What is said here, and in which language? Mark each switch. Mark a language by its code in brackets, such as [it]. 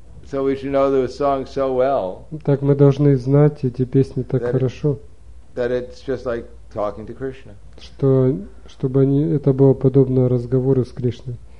[en] So we should know those songs so well. [ru] Так мы должны знать эти песни так хорошо. [en] That it's just like talking to Krishna. [ru] Что чтобы они это было подобно разговору с Кришной.